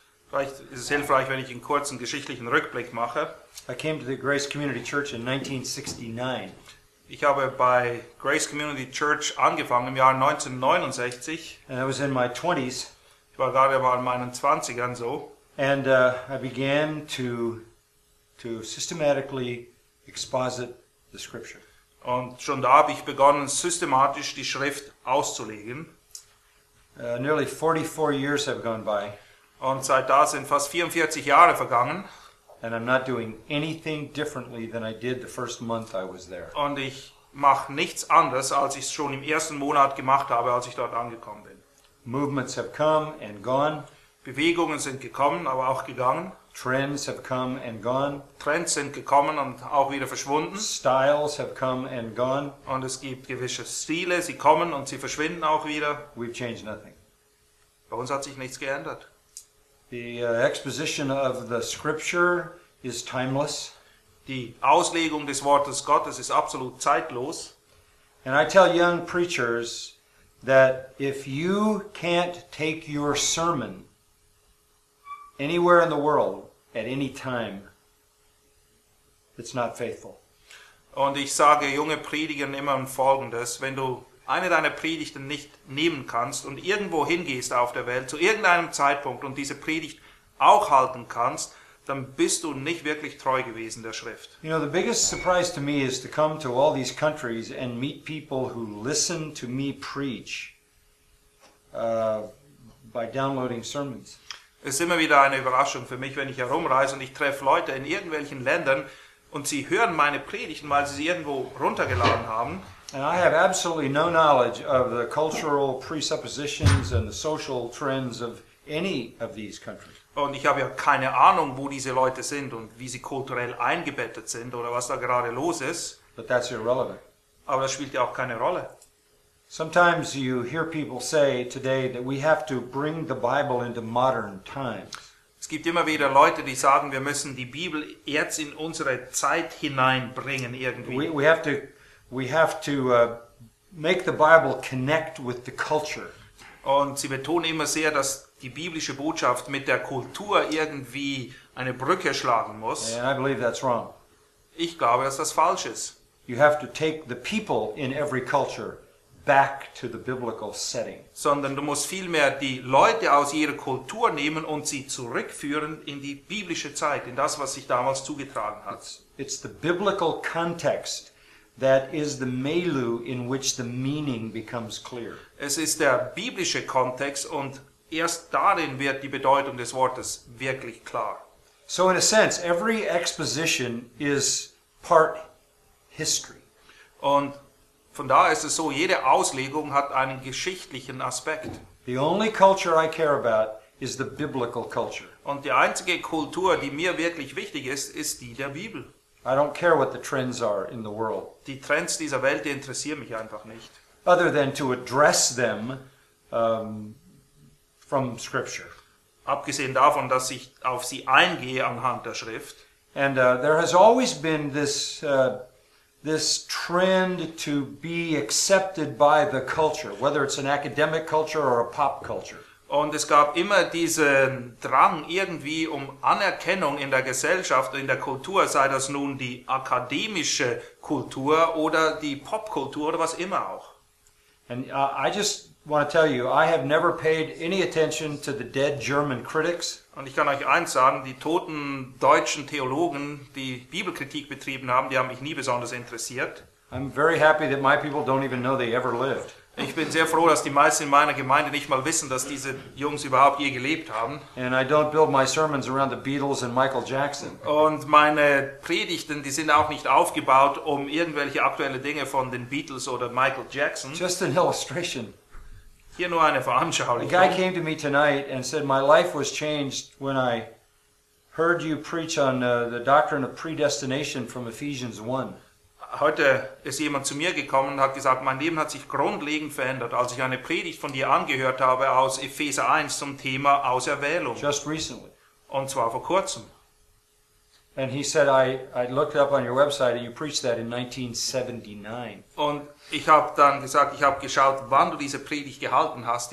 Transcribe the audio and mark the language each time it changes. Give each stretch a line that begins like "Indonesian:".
German: Vielleicht ist es hilfreich, wenn ich einen kurzen geschichtlichen Rückblick mache.
English: I came to the Grace Community Church in 1969.
German: Ich habe bei Grace Community Church angefangen im Jahr 1969.
English: And I was in my 20s.
German: Ich war gerade mal in meinen 20ern so.
English: And I began to systematically exposit the scripture.
German: Und schon da habe ich begonnen, systematisch die Schrift auszulegen.
English: Nearly 44 years have gone by.
German: Und seit da sind fast 44 Jahre vergangen.
English: And I'm not doing anything differently than I did the first month I was there.
German: Und ich mache nichts anders, als ich es schon im ersten Monat gemacht habe, als ich dort angekommen bin.
English: Movements have come and gone.
German: Bewegungen sind gekommen, aber auch gegangen.
English: Trends have come and gone.
German: Trends sind gekommen und auch wieder verschwunden.
English: Styles have come and gone.
German: Und es gibt gewisse Stile, sie kommen und sie verschwinden auch wieder.
English: We've changed nothing.
German: Bei uns hat sich nichts geändert.
English: The exposition of the scripture is timeless.
German: Die Auslegung des Wortes Gottes ist absolut zeitlos.
English: And I tell young preachers that if you can't take your sermon anywhere in the world, at any time, it's not faithful.
German: Und ich sage junge Predigern immer Folgendes: Wenn du eine deiner Predigten nicht nehmen kannst und irgendwo hingehst auf der Welt, zu irgendeinem Zeitpunkt und diese Predigt auch halten kannst, dann bist du nicht wirklich treu gewesen der Schrift.
English: You know, the biggest surprise to me is to come to all these countries and meet people who listen to me preach by downloading sermons.
German: Es ist immer wieder eine Überraschung für mich, wenn ich herumreise und ich treffe Leute in irgendwelchen Ländern und sie hören meine Predigten, weil sie sie irgendwo runtergeladen haben.
English: And I have absolutely no knowledge of the cultural presuppositions and the social trends of any of these countries.
German: Und ich habe ja keine Ahnung, wo diese Leute sind und wie sie kulturell eingebettet sind oder was da gerade los ist.
English: But that's irrelevant.
German: Aber das spielt ja auch keine Rolle.
English: Sometimes you hear people say today that we have to bring the Bible into modern times.
German: Es gibt immer wieder Leute, die sagen, wir müssen die Bibel jetzt in unsere Zeit hineinbringen irgendwie.
English: We have to make the Bible connect with the culture.
German: Und sie betonen immer sehr, dass die biblische Botschaft mit der Kultur irgendwie eine Brücke schlagen muss.
English: And I believe that's wrong.
German: Ich glaube, dass das falsch ist.
English: You have to take the people in every culture back to the biblical setting.
German: Sondern du musst vielmehr die Leute aus ihrer Kultur nehmen und sie zurückführen in die biblische Zeit, in das, was sich damals zugetragen hat.
English: It's the biblical context that is the milieu in which the meaning becomes clear.
German: Es ist der biblische Kontext und erst darin wird die Bedeutung des Wortes wirklich klar.
English: So in a sense, every exposition is part history.
German: Und von daher ist es so, jede Auslegung hat einen geschichtlichen Aspekt.
English: The only culture I care about is the biblical culture.
German: Und die einzige Kultur, die mir wirklich wichtig ist, ist die der Bibel.
English: I don't care what the trends are in the world.
German: Die Trends dieser Welt, die interessieren mich einfach nicht.
English: Other than to address them from scripture.
German: Abgesehen davon, dass ich auf sie eingehe anhand der Schrift.
English: And there has always been this this trend to be accepted by the culture, whether it's an academic culture or a pop culture.
German: Und es gab immer diesen Drang irgendwie um Anerkennung in der Gesellschaft, in der Kultur, sei das nun die akademische Kultur oder die Popkultur oder was immer auch.
English: And I just want to tell you, I have never paid any attention to the dead German critics.
German: Und ich kann euch eins sagen, die toten deutschen Theologen, die Bibelkritik betrieben haben, die haben mich nie besonders interessiert.
English: I'm very happy that my people don't even know they ever lived.
German: Ich bin sehr froh, dass die meisten in meiner Gemeinde nicht mal wissen, dass diese Jungs überhaupt je gelebt haben.
English: And I don't build my sermons around the Beatles and Michael Jackson.
German: Und meine Predigten, die sind auch nicht aufgebaut um irgendwelche aktuelle Dinge von den Beatles oder Michael Jackson.
English: Just an illustration.
German: Hier nur eine Veranschaulichung.
English: A guy came to me tonight and said, my life was changed when I heard you preach on the doctrine of predestination from Ephesians 1.
German: Heute ist jemand zu mir gekommen und hat gesagt, mein Leben hat sich grundlegend verändert, als ich eine Predigt von dir angehört habe aus Epheser 1 zum Thema Auserwählung.
English: Just recently.
German: Und zwar vor kurzem.
English: And he said, I looked up on your website and you preached that in 1979.
German: Und ich habe dann gesagt, ich habe geschaut, wann du diese Predigt gehalten hast.